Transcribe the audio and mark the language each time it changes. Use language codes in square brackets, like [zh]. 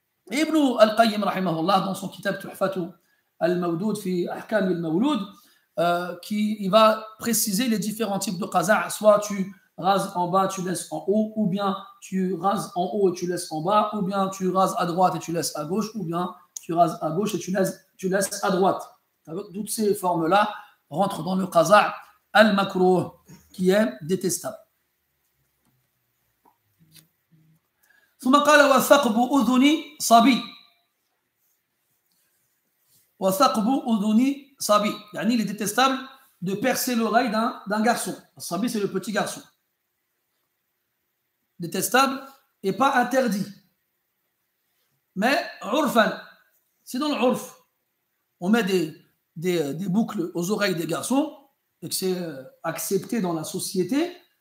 [fr] Ibn al-Qayyim rahimahullah dans son kitab Tuhfatu al-Mawdud fi Ahkam al-Mawlud, qui il va préciser les différents types de qaza', soit tu rases en bas, tu laisses en haut, ou bien tu rases en haut et tu laisses en bas, ou bien tu rases à droite et tu laisses à gauche, ou bien tu rases à gauche et tu laisses à droite. Toutes ces formes-là rentrent dans le qaza' al-makruh qui est détestable. [ar] ثم قال وثقب أذني صبي وثقب أذني صبي يعني [fr] il est détestable de percer l'oreille d'un garçon. Sabi, c'est le petit garçon. Détestable et pas interdit. Mais urfan, c'est dans le urf. On met des boucles aux oreilles des garçons et que c'est accepté dans la société.